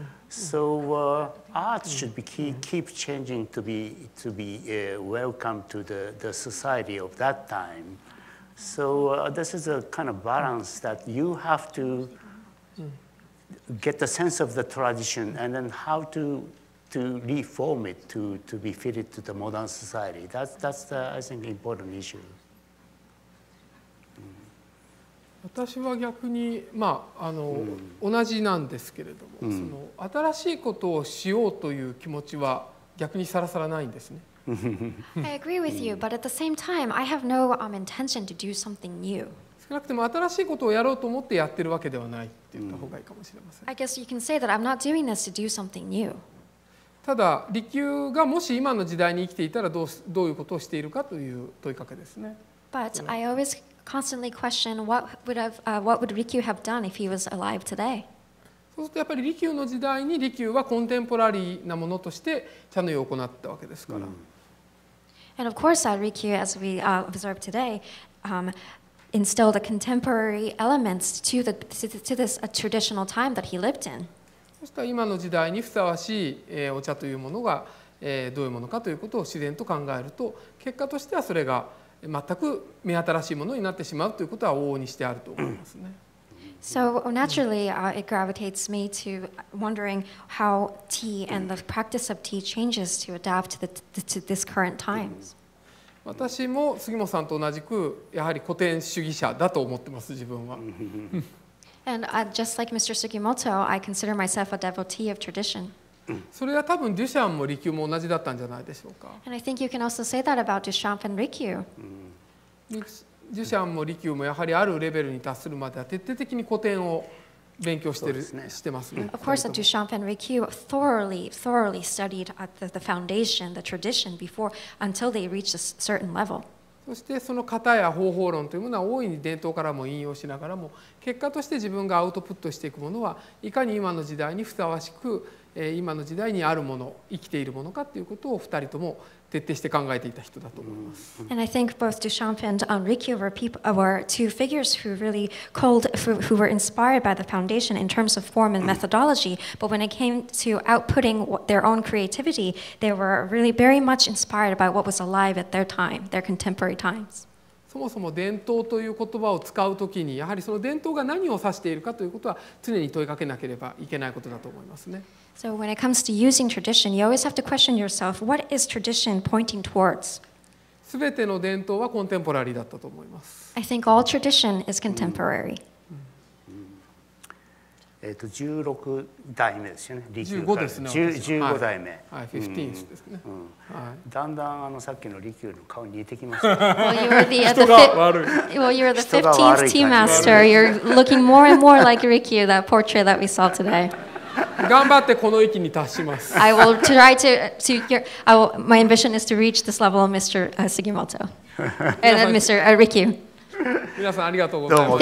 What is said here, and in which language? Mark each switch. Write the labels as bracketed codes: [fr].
[en] So art should be keep changing to be welcome to the society of that time. So this is a kind of balance that you have to get the sense of the tradition and then how to reform it to be fitted to the modern society. That's the, I think, important issue. [ja] 私は逆に、まあ、同じなんですけれども、その新しいことをしようという気持ちは逆にさらさらないんですね。 [en] I agree with you, but at the same time, I have no intention to do something new. [ja] 少なくとも新しいことをやろうと思ってやってるわけではないって言った方がいいかもしれません。 [en] I guess you can say that I'm not doing this to do something new. [ja] ただ、利休がもし今の時代に生きていたらどういうことをしているかという問いかけですね。 [en] But I always... constantly question what would Rikyu have done if he was alive today. [ja] そうするとやっぱり利休の時代に利休はコンテンポラリーなものとして茶の湯を行ったわけですから。 [en] And of course, Rikyu, as we observe today, instilled the contemporary elements to this traditional time that he lived in. [ja] そしたら今の時代にふさわしい、お茶というものが、どういうものかということを自然と考えると、結果としてはそれが全く目新しいものになってしまうということは往々にしてあると思いますね。 [en] So naturally, it gravitates me to wondering how tea and the practice of tea changes to adapt to this current times. [ja] 私も杉本さんと同じくやはり古典主義者だと思ってます自分は。 [en] And just like Mr. Sugimoto, I consider myself a devotee of tradition. [ja] それは多分デュシャンも利休も同じだったんじゃないでしょうか。 [en] And I think you can also say that about Duchamp and Rikyu. [ja] デュシャンも利休もやはりあるレベルに達するまでは徹底的に古典を勉強してる、ね、してますね。 [en] Of course, Duchamp and Rikyu thoroughly studied at the foundation, the tradition before until they reached a certain level. [ja] そしてその型や方法論というものは大いに伝統からも引用しながらも、結果として自分がアウトプットしていくものはいかに今の時代にふさわしく今の時代にあるもの、生きているものかということを二人とも徹底して考えていた人だと思います。 [en] And I think both Duchamp and Rikyu were two figures who really called, who were inspired by the foundation in terms of form and methodology. But when it came to outputting their own creativity, they were really very much inspired by what was alive at their time, their contemporary times. [ja] そもそも伝統という言葉を使うときに、やはりその伝統が何を指しているかということは常に問いかけなければいけないことだと思いますね。 [en] So when it comes to using tradition, you always have to question yourself, what is tradition pointing towards? [ja] 全ての伝統はコンテンポラリーだったと思います。 [en] I think all tradition is contemporary. [ja] 16代目ですよね。リキューから15ですね。 15代目。はい、15ですね。だんだんさっきのリキューの顔に似てきます。 [en] Well, you're the 15th tea master. You're looking more and more like Rikyu, that portrait that we saw today. [ja] 頑張ってこの域に達します。 [en] I will try to I will, my ambition is to reach this level of Mr. Sugimoto. And then Mr. Rikyu. [ja] 皆さんありがとうございます。